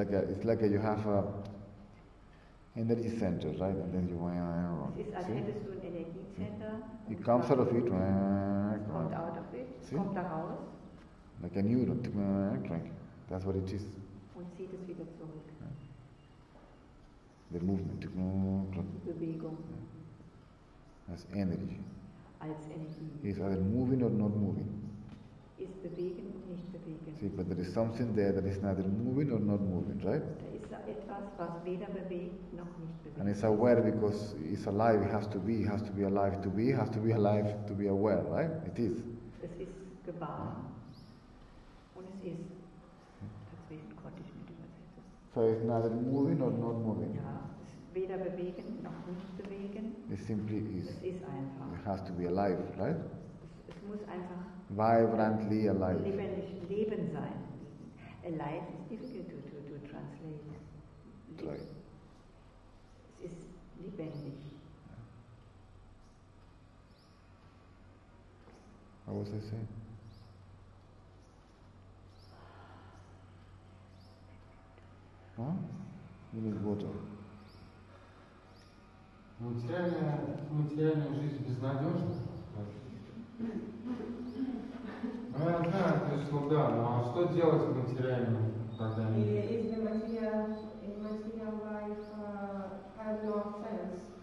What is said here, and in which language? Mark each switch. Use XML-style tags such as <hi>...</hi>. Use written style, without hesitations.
<en>It's like you have a energy center, right? And then you</en> <de>es ist, als</de> <en>see?</en> <de>Hättest du ein Energiezentrum.</de> <en>It comes out of it.</en> <de>Es kommt</de> <en>out of it. See?</en> <de>Kommt da raus.</de> <en>Like a neuron. That's what it is.</en> <de>Und zieht es wieder zurück.</de> <en>Right? The movement.</en> <de>Die Bewegung.</de> <en>As energy.</en> <de>Als Energie.</de> <en>Is either moving or not moving.</en> <de>Ist bewegen und nicht bewegen.</de> <en>See, but there is something there that is neither moving or not moving, right?</en> <de>Da ist etwas, was weder bewegt noch nicht bewegt.</de> <en>And it's aware because it's alive, it has to be alive to be aware, right? It is.</en> <de>Es ist gewahr. Und es ist, deswegen konnte ich nicht übersetzen.</de> <en>So it's neither moving or not moving.</en> <de>Ja. Weder bewegen noch nicht bewegen.</de> <en>It simply is.</en> <de>Es ist einfach.</de> <en>It has to be alive, right?</en> <de>Es muss einfach</de> <en>vibrantly alive.</en> <de>Lebendig leben sein.</de> <en>Alive is difficult to translate. Try.</en> <de>Es ist lebendig.</de> <en>What was I saying? Huh? You need water.</en> <ru>Материальная жизнь безнадежна. Ну, я знаю, то есть, ну да, но что делать в материальном тогда? Если материал</ru> <en>life have no sense.</en>